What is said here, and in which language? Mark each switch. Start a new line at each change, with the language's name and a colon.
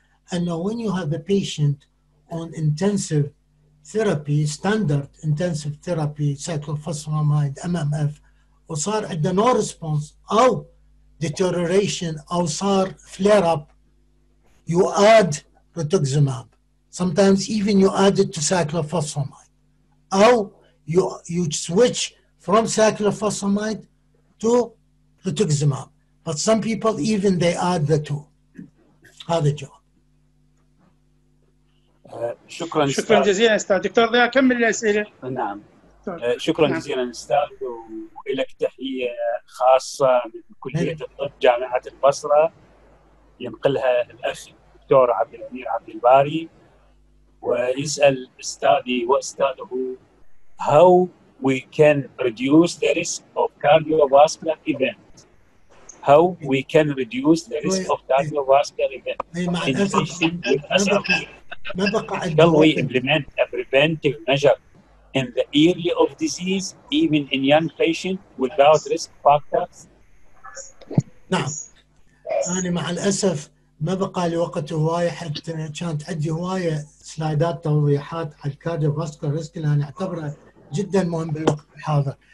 English: And now when you have a patient on intensive therapy, standard intensive therapy, cyclophosphamide, MMF,
Arabic: وصار عنده
English: no response,
Arabic: أو
English: deterioration or sar flare up, you add rituximab. Sometimes even you add it to cyclophosphamide. Or you switch from cyclophosphamide to rituximab. But some people, even they add the two. How the job?
Arabic: شكراً جزيلاً أستاذ دكتور ده أكمل الأسئلة. نعم. شكراً جزيلاً أستاذ وإلك تحية خاصة من كلية الطب جامعة البصرة ينقلها الأخ دكتور عبد الأمير عبد الباري ويسأل أستاذي وأستاذه
English: how we can reduce the risk of cardiovascular event. How we can reduce the risk of cardiovascular event in patients with SRP. Shall we implement a preventive measure in the early of disease, even in young patients without risk factors?
Arabic: نعم. أنا مع الأسف ما بقى لي وقت هواية حتى كانت عندي هواية سلايدات توضيحات على
English: الكارديوفاسكولار ريسك
Arabic: اللي أنا أعتبره جدا مهم بالوقت الحاضر.